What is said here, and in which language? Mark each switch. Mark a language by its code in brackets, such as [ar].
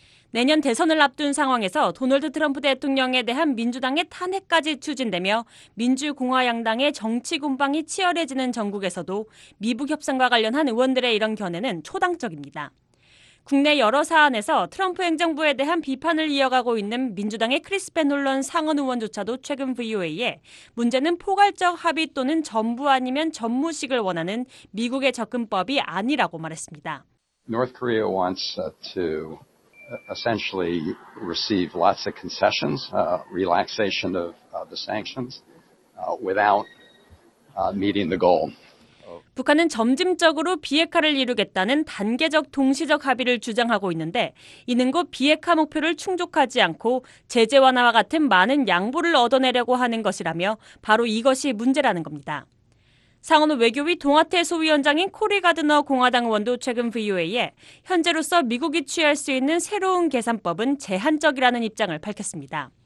[ko] 내년 대선을 앞둔 상황에서 도널드 트럼프 대통령에 대한 민주당의 탄핵까지 추진되며 민주공화양당의 정치 공방이 치열해지는 전국에서도 미북 협상과 관련한 의원들의 이런 견해는 초당적입니다. 국내 여러 사안에서 트럼프 행정부에 대한 비판을 이어가고 있는 민주당의 크리스 베놀런 상원 의원조차도 최근 VOA에 문제는 포괄적 합의 또는 전부 아니면 전무식을 원하는 미국의 접근법이 아니라고 말했습니다. [en] North Korea wants to essentially receive lots of concessions, relaxation of the sanctions without meeting the goal. [ko] 북한은 점진적으로 비핵화를 이루겠다는 단계적 동시적 합의를 주장하고 있는데 이는 곧 비핵화 목표를 충족하지 않고 제재 완화와 같은 많은 양보를 얻어내려고 하는 것이라며 바로 이것이 문제라는 겁니다. 상원 외교위 동아태 소위원장인 코리 가드너 공화당 의원도 최근 VOA에 현재로서 미국이 취할 수 있는 새로운 계산법은 제한적이라는 입장을 밝혔습니다.